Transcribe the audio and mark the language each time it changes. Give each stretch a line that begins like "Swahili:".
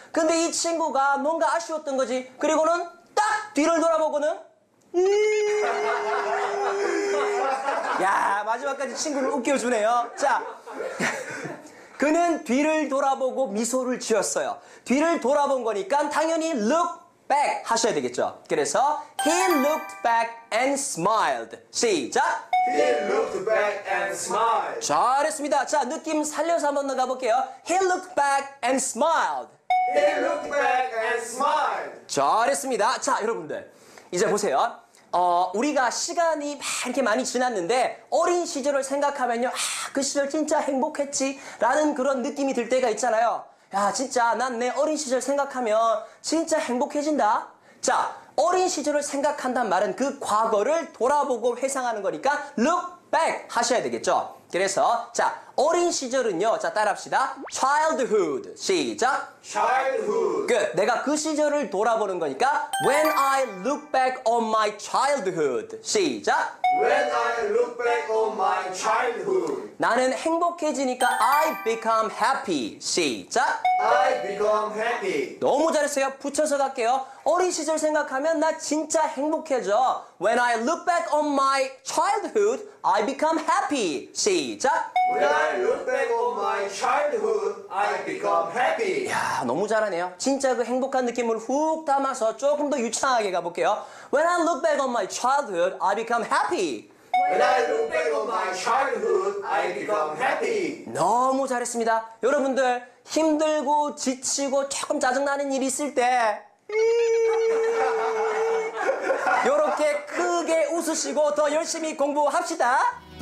Korean: 근데 이 친구가 뭔가 아쉬웠던 거지. 그리고는 딱 뒤를 돌아보고는 야, 마지막까지 친구를 웃겨주네요. 자, 그는 뒤를 돌아보고 미소를 지었어요. 뒤를 돌아본 거니까 당연히 look back 하셔야 되겠죠. 그래서
English: he looked back and smiled.
Korean: 시작.
English: He looked back and smiled.
Korean: 잘했습니다. 자, 느낌 살려서 한번 더 가볼게요.
English: He looked back and smiled. He looked back and smiled.
Korean: 잘했습니다. 자, 여러분들 이제 보세요. 우리가 시간이 이렇게 많이 지났는데 어린 시절을 생각하면요, 아, 그 시절 진짜 행복했지 라는 그런 느낌이 들 때가 있잖아요. 야, 진짜 난 내 어린 시절 생각하면 진짜 행복해진다. 자, 어린 시절을 생각한다는 말은 그 과거를 돌아보고 회상하는 거니까 look back 하셔야 되겠죠. 그래서 자, 어린 시절은요, 자 따라합시다.
English: Childhood.
Korean: 시작.
English: Childhood.
Korean: 끝. 내가 그 시절을 돌아보는 거니까
English: When I look back on my childhood.
Korean: 시작.
English: When I look back on my childhood.
Korean: 나는 행복해지니까
English: I become happy.
Korean: 시작.
English: I become happy.
Korean: 너무 잘했어요. 붙여서 갈게요. 어린 시절 생각하면 나 진짜 행복해져.
English: When I look back on my childhood, I become happy.
Korean: 시작.
English: When I look back on my childhood, I become happy.
Korean: 이야, 너무 잘하네요. 진짜 그 행복한 느낌을 훅 담아서 조금 더 유창하게 가볼게요.
English: When I look back on my childhood, I become happy. When I look back on my childhood, I become happy.
Korean: 너무 잘했습니다. 여러분들, 힘들고 지치고 조금 짜증나는 일이 있을 때 이렇게 크게 웃으시고 더 열심히 공부합시다.